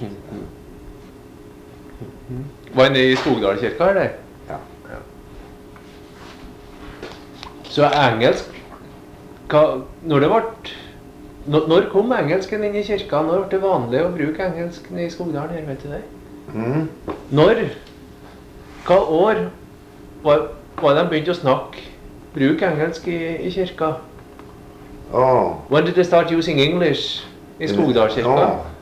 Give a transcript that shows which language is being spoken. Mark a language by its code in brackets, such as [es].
[sv] Mm-hmm. Mm-hmm. Var ni i Skogdal kyrka eller? Ja. Så engelsk, när det vart, när kom engelsken in i kyrkan? När var det vanligt att bruka engelsk i Skogdal, vet du det? Mm. När? [no] Hva år var de begynt å snakke, bruke engelsk i kirka? Oh. [en] When did they start using English i Skogdal kirka?